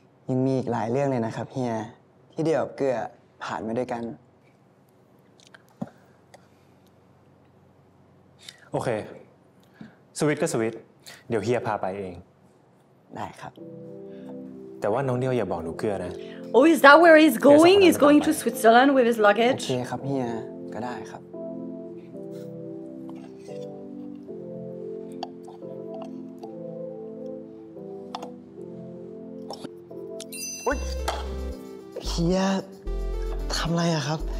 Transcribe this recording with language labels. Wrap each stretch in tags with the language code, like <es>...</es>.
<th>ยังมีอีกหลายเรื่องเลยนะครับเฮียที่เดียวกับเกือผ่านมาด้วยกัน โอเคสวิตก็สวิตเดี๋ยวเฮียพาไปเอง ได้ครับ แต่ว่าน้องเดียวอย่าบอกหนูเกือนะ</th> <en>Oh is that where he's going he's going to Switzerland with his luggage</en> <th>โอเคครับเฮียก็ได้ครับเฮียทำไรอะครับ</th>